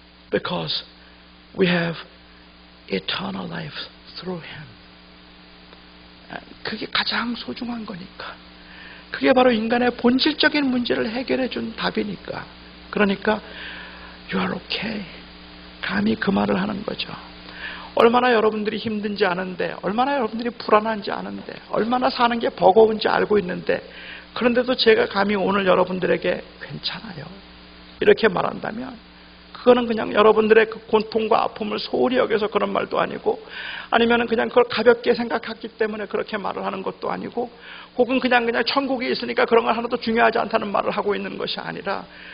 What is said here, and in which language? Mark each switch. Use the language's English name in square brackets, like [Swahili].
[English] Because we have eternal life through Him. [Korean] 그게 가장 소중한 거니까. 그게 바로 인간의 본질적인 문제를 해결해 준 답이니까. 그러니까 [English] You are okay. [Korean] 감히 그 말을 하는 거죠. 얼마나 여러분들이 힘든지 아는데, 얼마나 여러분들이 불안한지 아는데, 얼마나 사는 게 버거운지 알고 있는데 그런데도 제가 감히 오늘 여러분들에게 괜찮아요 이렇게 말한다면 그거는 그냥 여러분들의 그 고통과 아픔을 소홀히 여겨서 그런 말도 아니고 아니면 그냥 그걸 가볍게 생각했기 때문에 그렇게 말을 하는 것도 아니고 혹은 그냥 천국이 있으니까 그런 걸 하나도 중요하지 않다는 말을 하고 있는 것이 아니라